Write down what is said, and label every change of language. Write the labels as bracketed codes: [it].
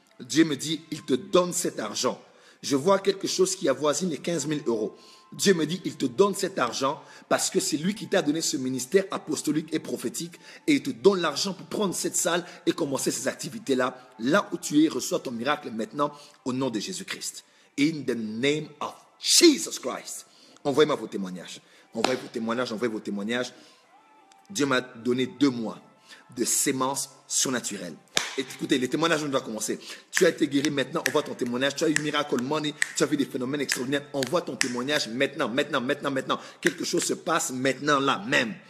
[fr] Dieu me dit, il te donne cet argent. Je vois quelque chose qui avoisine les 15 000 euros. Dieu me dit, il te donne cet argent parce que c'est lui qui t'a donné ce ministère apostolique et prophétique et il te donne l'argent pour prendre cette salle et commencer ces activités-là. Là où tu es, reçois ton miracle maintenant au nom de Jésus-Christ. [en] In the name of Jesus Christ. [fr] Envoyez-moi vos témoignages. Envoyez vos témoignages. Dieu m'a donné 2 mois de sémence surnaturelle. Et écoutez, les témoignages, on doit commencer. Tu as été guéri maintenant, envoie ton témoignage. Tu as eu Miracle Money, tu as vu des phénomènes extraordinaires. Envoie ton témoignage maintenant. Quelque chose se passe maintenant, là même.